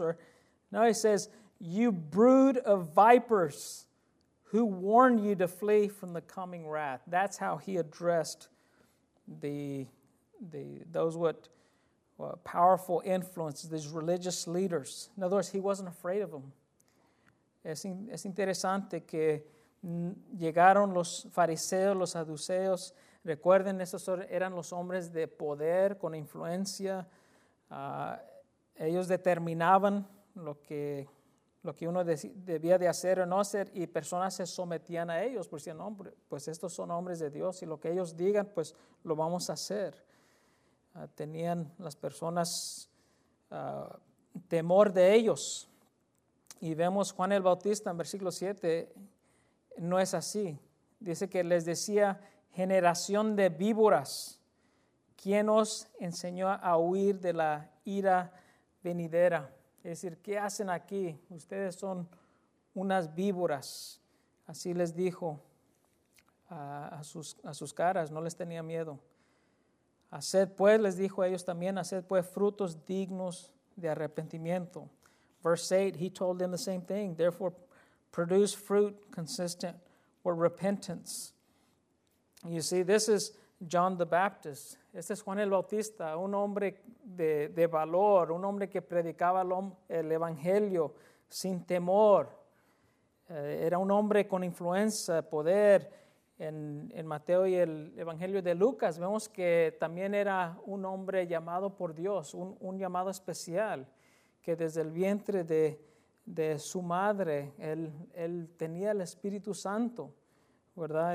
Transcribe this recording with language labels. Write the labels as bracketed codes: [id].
[en] Or no, he says, you brood of vipers, who warned you to flee from the coming wrath? That's how he addressed those powerful influences, these religious leaders. In other words, he wasn't afraid of them. [es] Es interesante que llegaron los fariseos, los saduceos. Recuerden, esos eran los hombres de poder, con influencia. Ellos determinaban lo que uno debía de hacer o no hacer, y personas se sometían a ellos, porque decían, hombre, pues estos son hombres de Dios, y lo que ellos digan, pues lo vamos a hacer. Tenían las personas temor de ellos. Y vemos Juan el Bautista en versículo 7, no es así. Dice que les decía, generación de víboras, ¿quién os enseñó a huir de la ira venidera? Es decir, ¿qué hacen aquí? Ustedes son unas víboras. Así les dijo a sus caras, no les tenía miedo. Haced pues, les dijo a ellos también, haced pues frutos dignos de arrepentimiento. [en] Verse 8, he told them the same thing. Therefore, produce fruit consistent were repentance. You see, this is John the Baptist. [es] Este es Juan el Bautista, un hombre de valor, un hombre que predicaba el evangelio sin temor. Era un hombre con influencia, poder. En Mateo y el Evangelio de Lucas vemos que también era un hombre llamado por Dios, un llamado especial, que desde el vientre de su madre, él tenía el Espíritu Santo, ¿verdad?